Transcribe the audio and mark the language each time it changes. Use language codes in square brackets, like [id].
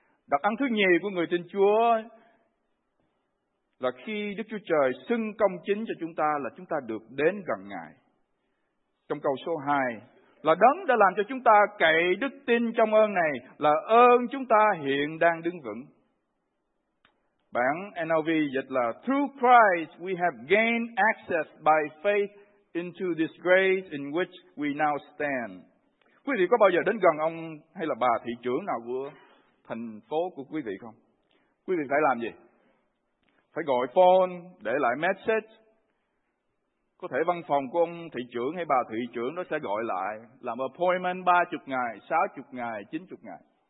[vi] Đặc ân thứ nhì của người tin Chúa là khi Đức Chúa Trời xưng công chính cho chúng ta là chúng ta được đến gần Ngài. Trong câu số 2 là Đấng đã làm cho chúng ta cậy đức tin trong ơn này là ơn chúng ta hiện đang đứng vững. Bản NLV dịch là [en] Through Christ we have gained access by faith into this grace in which we now stand. [vi] Quý vị có bao giờ đến gần ông hay là bà thị trưởng nào của thành phố của quý vị không? Quý vị phải làm gì? Phải gọi phone, để lại message. Có thể văn phòng của ông thị trưởng hay bà thị trưởng nó sẽ gọi lại, làm appointment 30 ngày, 60 ngày, 90 ngày.